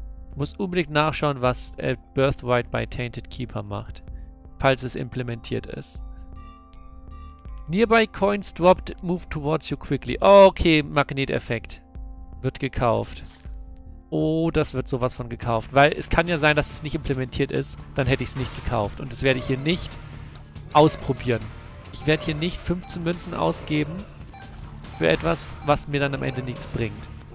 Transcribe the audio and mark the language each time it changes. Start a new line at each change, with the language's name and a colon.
German: Ich muss unbedingt nachschauen, was Birthright bei Tainted Keeper macht. Falls es implementiert ist.
English: Nearby coins dropped, move towards you quickly.
German: Okay, Magneteffekt. Wird gekauft. Oh, das wird sowas von gekauft. Weil es kann ja sein, dass es nicht implementiert ist. Dann hätte ich es nicht gekauft. Und das werde ich hier nicht ausprobieren. Ich werde hier nicht 15 Münzen ausgeben für etwas, was mir dann am Ende nichts bringt.